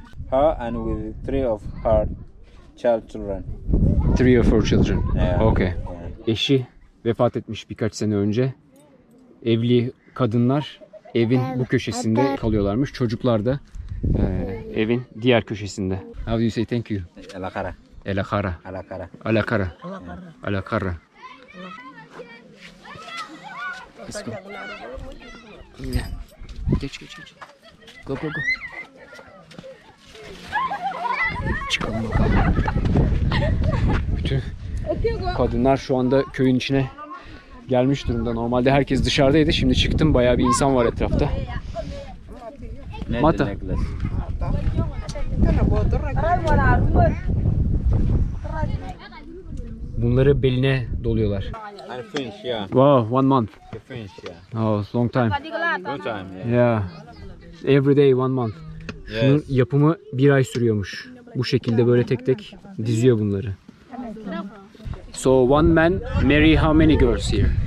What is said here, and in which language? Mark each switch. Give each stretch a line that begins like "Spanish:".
English: Her and with three of her children. Three of her children. Yeah. Okay. Yeah.
Turkish: Eşi vefat etmiş birkaç sene önce. Evli kadınlar evin bu köşesinde kalıyorlarmış. Çocuklar da evin diğer köşesinde.
English: How do you say thank you? Alakara. Alakara. Alakara. Alakara. Alakara. Let's go.
Turkish: Geç geç geç.
English: Go go go.
Turkish: Çıkalım bakalım. Bütün kadınlar şu anda köyün içine gelmiş durumda. Normalde herkes dışarıdaydı. Şimdi çıktım. Bayağı bir insan var etrafta. Mata. Bunları beline doluyorlar.
English: I finish, yeah. Wow, one month. You finish, yeah. Oh, long time. Long time, yeah. Yeah. Every day, one month. Yes.
Turkish: Şunun yapımı bir ay sürüyormuş. Bu şekilde böyle tek tek diziyor bunları.
English: So one man marry how many girls here?